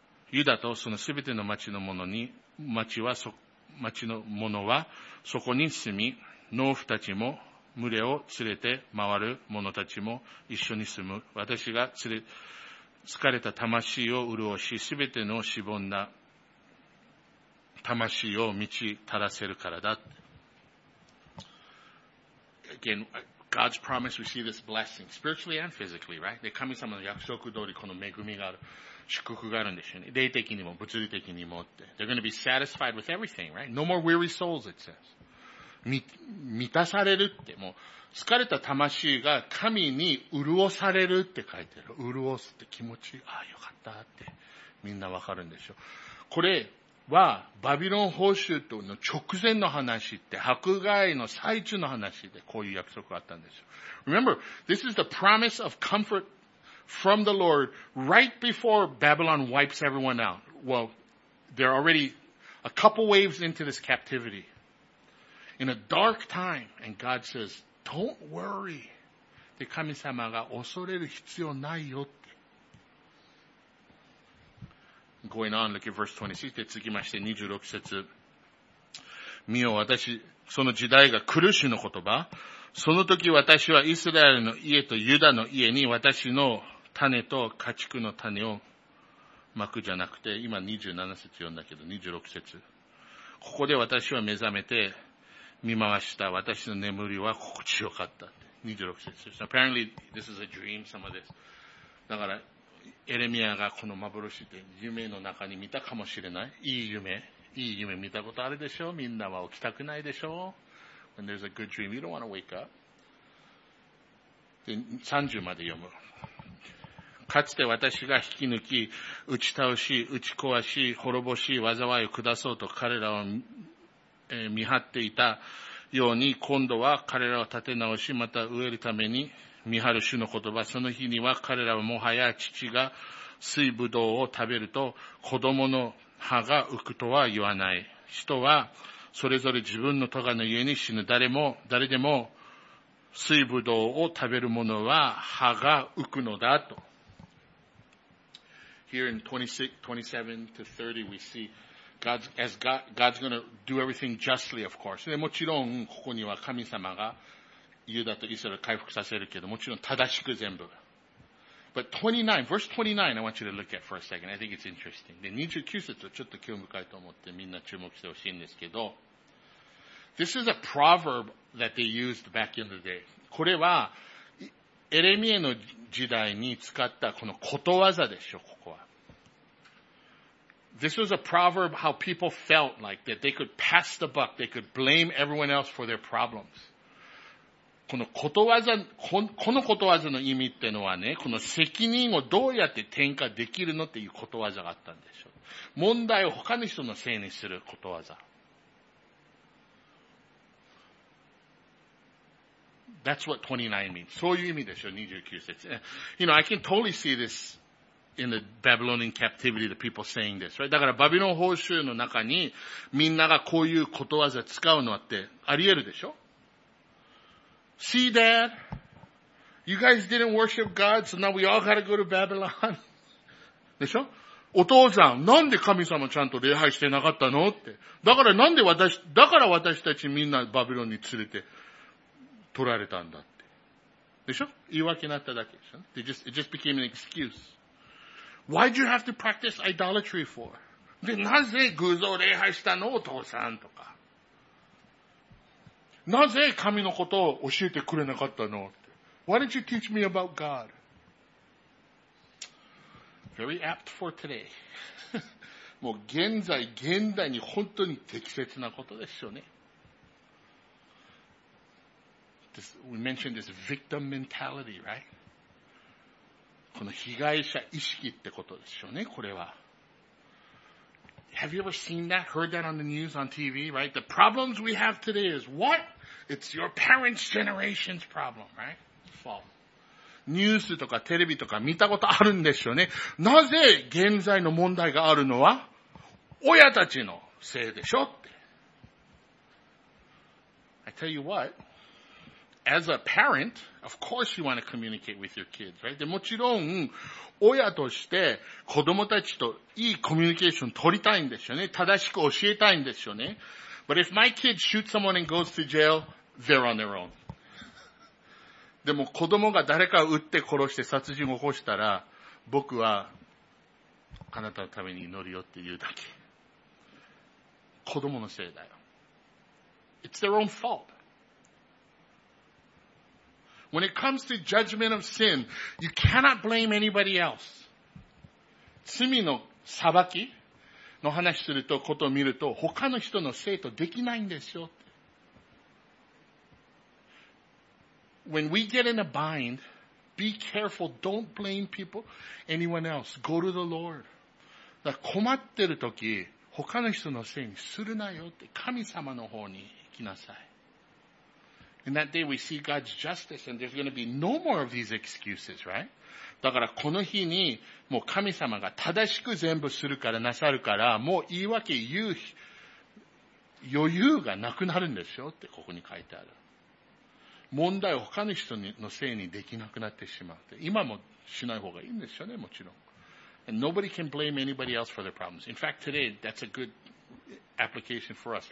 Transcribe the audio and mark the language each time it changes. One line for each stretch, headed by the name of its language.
Japanese: ユダとそのすべての町の者に、町の者はそこに住み、農夫たちも群れを連れて回る者たちも一緒に住む。私が疲れた魂を潤し、すべてのしぼんだ魂を満ち足らせるからだ。
English: Again, God's promise, we see this blessing, spiritually and physically, right?
Japanese: で、神様の約束通りこの恵みがある。祝福があるんですよね。霊的にも物理的にもって。
English: They're going to be satisfied with everything, right? No more weary souls, it says.
Japanese: 満たされるって。もう、疲れた魂が神に潤されるって書いてる。潤すって気持ち、ああ、よかったって。みんなわかるんでしょ。これは、バビロン報酬との直前の話って、迫害の最中の話で、こういう約束があったんですよ。 Remember, this is the promise of comfort. From the Lord, right before Babylon wipes everyone out. Well, they're already a couple waves into this captivity. In a dark time, and God says, don't worry. で、神様が恐れる必要ないよって。
English: Going on, look at verse 26.
Japanese: で、続きまして26節。見よ、私、その時代が苦しの言葉。その時私はイスラエルの家とユダの家に私の種と家畜の種を巻くじゃなくて、今27節読んだけど、26節。ここで私は目覚めて見回した。私の眠りは心地よかったって。 26節。So、
English: apparently, this is a dream, some of this.
Japanese: だから、エレミアがこの幻って夢の中に見たかもしれない。いい夢見たことあるでしょ？みんなは起きたくないでしょ？
English: When there's a good dream, you don't want to wake up.
Japanese: で、30まで読む。かつて私が引き抜き、打ち倒し、打ち壊し、滅ぼし、災いを下そうと彼らを見張っていたように、今度は彼らを立て直し、また植えるために見張る主の言葉。その日には彼らはもはや父が水ぶどうを食べると子供の歯が浮くとは言わない。人はそれぞれ自分の咎の家に死ぬ。誰でも水ぶどうを食べる者は歯が浮くのだと。
English: Here in 26, 27 to 30, we see God's going to do everything justly, of course.
Japanese: で、もちろんここには神様がユダとイスラエルを回復させるけど、もちろん正しく全部。
English: But 29, verse 29, I want you to look at for a second. I think it's interesting.
Japanese: で、29節をちょっと興味深いと思ってみんな注目してほしいんですけど、
English: This is a proverb that they used back in the day.
Japanese: これは、エレミエの時代に使ったこのことわざでしょ、ここは。
English: This was a proverb how people felt like that they could pass the buck, they could blame everyone else for their problems.
Japanese: このことわざの意味ってのはね、この責任をどうやって転嫁できるのっていうことわざがあったんでしょ。問題を他の人のせいにすることわざ。
English: That's what 29 means.
Japanese: そういう意味でしょ、29節。
English: You know, I can totally see this in the Babylonian captivity, the people saying this, right?
Japanese: だから、バビロン報酬の中にみんながこういうことわざ使うのってあり得るでしょ ?
English: See, Dad? You guys didn't worship God, so now we all gotta go to Babylon.
Japanese: でしょ? お父さん、なんで神様ちゃんと礼拝してなかったのって。だからなんで私、だから私たちみんなバビロンに連れて、取られたんだって。でしょ?言い訳になっただけでしょ、ね、
English: It just became an excuse. Why do you have to practice idolatry for?
Japanese: で、なぜ偶像礼拝したのお父さんとか。なぜ神のことを教えてくれなかったのって。
English: Why don't you teach me about God? Very apt for today.
Japanese: もう現代に本当に適切なことですよね。
English: This, we mentioned this victim mentality, right?
Japanese: この被害者意識ってことでしょうね、これは。
English: Have you ever seen that? Heard that on the news, on TV, right? The problems we have today is what? It's your parents' generation's problem, right? Fault.
Japanese: ニュースとかテレビとか見たことあるんでしょうね。なぜ現在の問題があるのは親たちのせいでしょって。
English: I tell you what. As a parent, of course you want to communicate with your kids, right?
Japanese: で、もちろん、親として子供たちといいコミュニケーション取りたいんですよね。正しく教えたいんですよね。
English: But if my kid shoots someone and goes to jail, they're on their own.
Japanese: でも子供が誰かを撃って殺して殺人を起こしたら、僕はあなたのために祈るよって言うだけ。子供のせいだよ。
English: It's their own fault. When it comes to judgment of sin, you cannot blame anybody else.
Japanese: 罪の裁きの話すると、ことを見ると、他の人のせいとできないんですよ。
English: When we get in a bind, be careful. Don't blame people, anyone else. Go to the Lord.
Japanese: だから困ってるとき、他の人のせいにするなよって、神様の方に行きなさい。
English: In that day we see God's justice and there's going to be no more of these excuses, right?
Japanese: だからこの日にもう神様が正しく全部するからなさるからもう言い訳言う余裕がなくなるんですよってここに書いてある。問題を他の人のせいにできなくなってしまって今もしない方がいいんですよね、もちろん。
English: And nobody can blame anybody else for their problems. In fact, today, that's a good application for us.